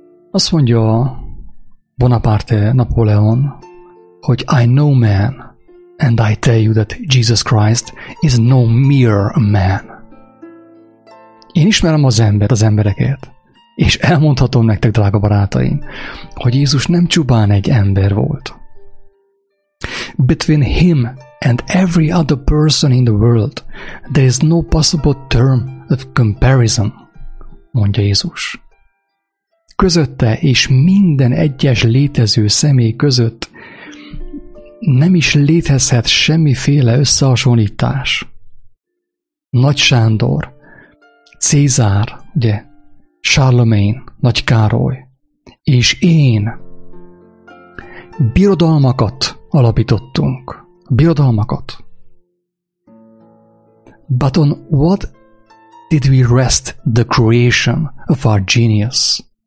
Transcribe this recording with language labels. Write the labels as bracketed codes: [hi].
[hu] Azt mondja Bonaparte Napóleon, hogy [en] I know man, and I tell you that Jesus Christ is no mere man. [hu] Én ismerem az embert, az embereket, és elmondhatom nektek, drága barátaim, hogy Jézus nem csupán egy ember volt. [en] Between him and every other person in the world, there is no possible term of comparison, [hu] mondja Jézus. Közötte és minden egyes létező személy között nem is létezhet semmiféle összehasonlítás. Nagy Sándor, Cézár, ugye, Charlemagne, Nagy Károly, és én birodalmakat alapítottunk. Birodalmakat. [en] But on what did we rest the creation of our genius?